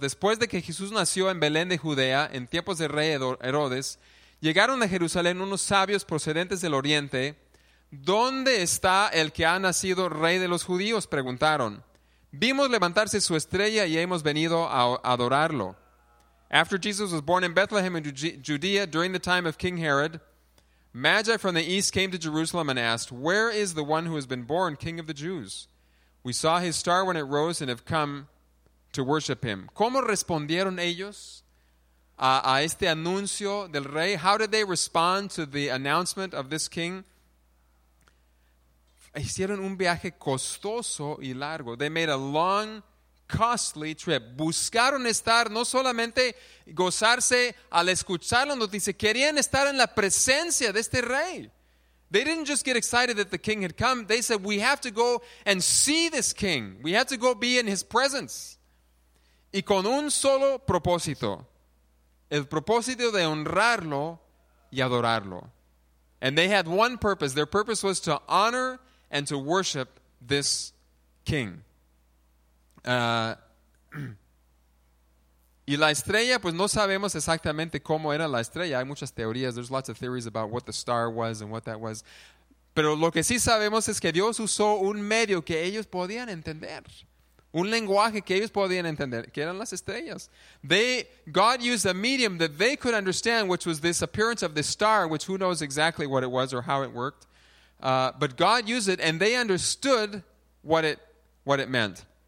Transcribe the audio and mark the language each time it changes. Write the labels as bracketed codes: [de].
[es] Después de que Jesús nació en Belén de Judea, en tiempos del rey Herodes, llegaron a Jerusalén unos sabios procedentes del oriente. ¿Dónde está el que ha nacido rey de los judíos? Preguntaron. Vimos levantarse su estrella y hemos venido a adorarlo. [en] After Jesus was born in Bethlehem in Judea during the time of King Herod, magi from the east came to Jerusalem and asked, "Where is the one who has been born king of the Jews? We saw his star when it rose and have come to worship him." [es] ¿Cómo respondieron ellos a este anuncio del rey? [en] How did they respond to the announcement of this king? [es] Hicieron un viaje costoso y largo. [en] They made a long, costly trip. [es] Buscaron estar, no solamente gozarse al escuchar la noticia, querían estar en la presencia de este rey. [en] They didn't just get excited that the king had come. They said, "We have to go and see this king. We have to go be in his presence." [es] Y con un solo propósito, el propósito de honrarlo y adorarlo. [en] And they had one purpose. Their purpose was to honor and to worship this king. [es] Y la estrella, pues no sabemos exactamente cómo era la estrella. Hay muchas teorías. [en] There's lots of theories about what the star was and what that was. [es] Pero lo que sí sabemos es que Dios usó un medio que ellos podían entender. Un lenguaje que ellos podían entender, que eran las estrellas. [en] God used a medium that they could understand, which was this appearance of this star, which who knows exactly what it was or how it worked. But God used it and they understood what it meant.